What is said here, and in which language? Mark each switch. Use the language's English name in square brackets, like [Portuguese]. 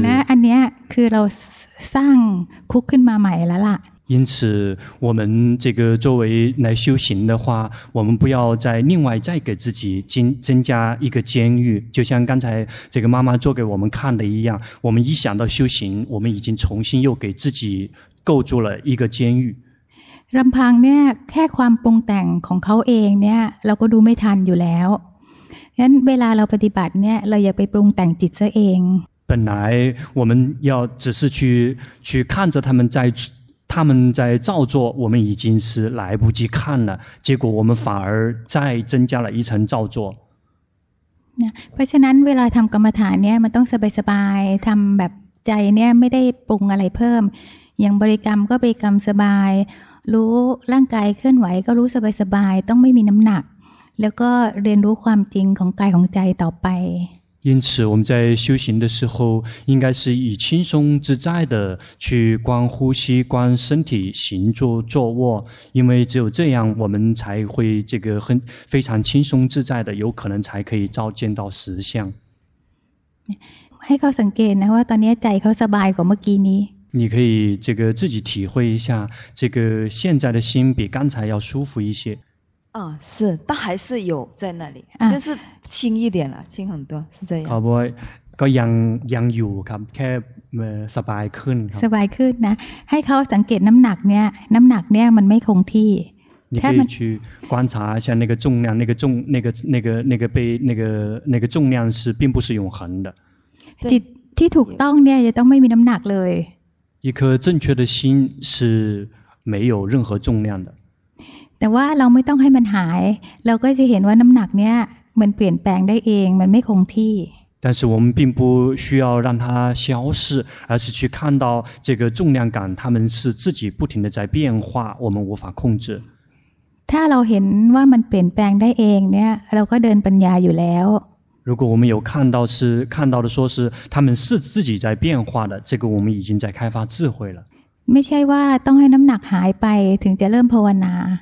[Thai] 呢อันเนี้ยคือเราสร้างคุกขึ้นมาใหม่แล้วล่ะ [Chinese] 因此我们这个作为来修行的话我们不要再另外再给自己增加一个监狱就像刚才这个妈妈做给我们看的一样我们一想到修行我们已经重新又给自己构筑了一个监狱 [Thai] ลำพังเนี่ยแค่ความปรุงแต่งของเขาเองเนี่ยเราก็ดูไม่ทันอยู่แล้วงั้นเวลาเราปฏิบัติเนี่ยเราอย่าไปปรุงแต่งจิตซะเอง [Chinese] 本来我们要只是去看着他们在造作我们已经是来不及看了结果我们反而再增加了一层造作 [Thai] เพราะฉะนั้นเวลาทำกรรมฐานเนี่ยมันต้องสบายๆทำแบบใจเนี่ยไม่ได้ปรุงอะไรเพิ่มอย่างบริกรรมก็บริกรรมสบายรู้ร่างกายเคลื่อนไหวก็รู้สบายๆต้องไม่มีน้ำหนักแล้วก็เรียนรู้ความจริงของกายของใจต่อไป [Chinese] 因此我们在修行的时候应该是以轻松自在的去观呼吸观身体行坐坐卧因为只有这样我们才会这个很非常轻松自在的有可能才可以照见到实相 [Thai] ให้เขาสังเกตนะว่าตอนนี้ใจเขาสบายกว่าเมื่อกี้นี้ [Chinese] 你可以这个自己体会一下这个现在的心比刚才要舒服一些啊、哦，是，但还是有在那里，啊、就是轻一点了，轻很多，是这样。好不， [Thai] ก็ยังอยู่ครับ แค่สบายขึ้น สบายขึ้นนะให้เขาสังเกตน้ำหนักเนี่ยน้ำหนักเนี่ยมันไม่คงที่ [Chinese] 你可以去观察一下那个重量，那个被那个重量是并不是永恒的。 [Thai] จิตที่ถูกต้องเนี่ยจะต้องไม่มีน้ำหนักเลย。 [Chinese] 一颗正确的心是没有任何重量的。 [Thai] แต่ว่าเราไม่ต้องให้มันหายเราก็จะเห็นว่าน้ำหนักเนี่ยมันเปลี่ยนแปลงได้เองมันไม่คงที่ [Chinese] 但是我们并不需要让它消失而是去看到这个重量感它们是自己不停的在变化我们无法控制 [Thai] ถ้าเราเห็นว่ามันเปลี่ยนแปลงได้เองเนี่ยเราก็เดินปัญญาอยู่แล้ว [Chinese] 如果我们有看到的说是它们是自己在变化的这个我们已经在开发智慧了 [Thai] ไม่ใช่ว่าต้องให้น้ำหนักหายไปถึงจะเริ่มภาวนา